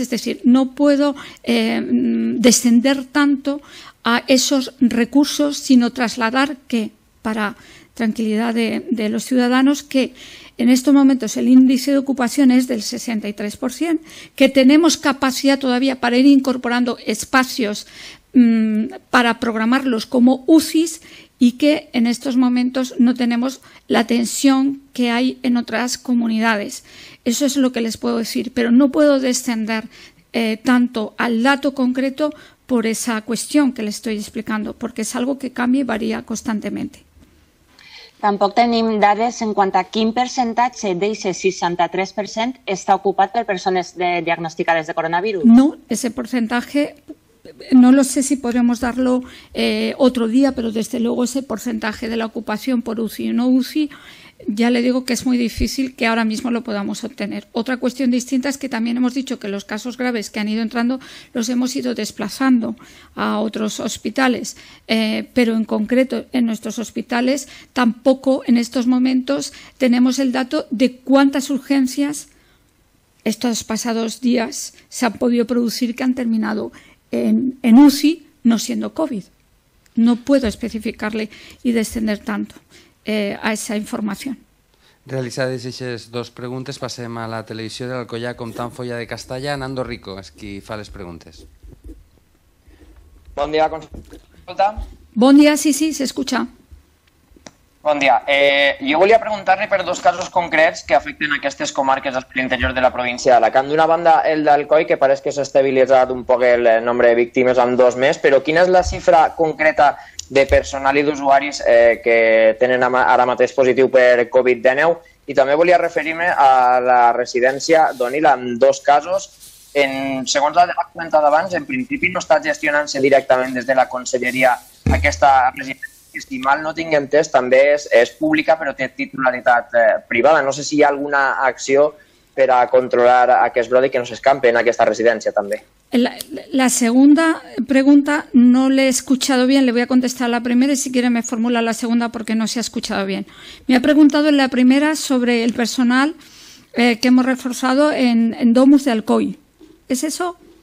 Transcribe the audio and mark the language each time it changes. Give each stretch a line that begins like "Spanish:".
Spanish: Es decir, no puedo descender tanto a esos recursos, sino trasladar que para tranquilidad de los ciudadanos, que en estos momentos el índice de ocupación es del 63%, que tenemos capacidad todavía para ir incorporando espacios para programarlos como UCIs y que en estos momentos no tenemos la tensión que hay en otras comunidades. Eso es lo que les puedo decir, pero no puedo descender tanto al dato concreto por esa cuestión que les estoy explicando, porque es algo que cambia y varía constantemente.
Catalan: Tampoc tenim dades en quant a quin percentatge d'aquest 63% està ocupat per persones diagnosticades de coronavirus.
Spanish: No, ese porcentaje, no lo sé si podremos darlo otro día, pero desde luego ese porcentaje de la ocupación por UCI y no UCI, ya le digo que es muy difícil que ahora mismo lo podamos obtener. Otra cuestión distinta es que también hemos dicho que los casos graves que han ido entrando los hemos ido desplazando a otros hospitales, pero en concreto en nuestros hospitales tampoco en estos momentos tenemos el dato de cuántas urgencias estos pasados días se han podido producir que han terminado en UCI no siendo COVID. No puedo especificarle y descender tanto a esa informació.
Catalan: Realitzades aquestes dues preguntes, passem a la televisió de l'Alcoià, Comptant Folla de Castalla. Nando Rico és qui fa les preguntes. Bon dia, consulta. Bon dia, sí, s'escucha. Bon dia. Jo volia preguntar-li per dos casos concrets que afecten aquestes comarques a l'interior de la província d'Alacant. D'una banda, el d'Alcoi, que pareix que s'ha estabilitzat un poc el nombre de víctimes amb dos més, però quina és la xifra concreta de personal i d'usuaris que tenen ara mateix positiu per Covid-19? I també volia referir-me a la residència d'Onil amb dos casos. Segons la demà comentada abans, en principi no està gestionant-se directament des de la conselleria aquesta residència. Si mal no tinc entès, també és pública però té titularitat privada. No sé si hi ha alguna acció per a controlar aquest brot i que no s'escampi en aquesta residència també.
Spanish: La segunda pregunta no le he escuchado bien, le voy a contestar la primera y si quiere me formula la segunda porque no se ha escuchado bien. Me ha preguntado en la primera sobre el personal que hemos reforzado en Domus de Alcoy. ¿Es eso?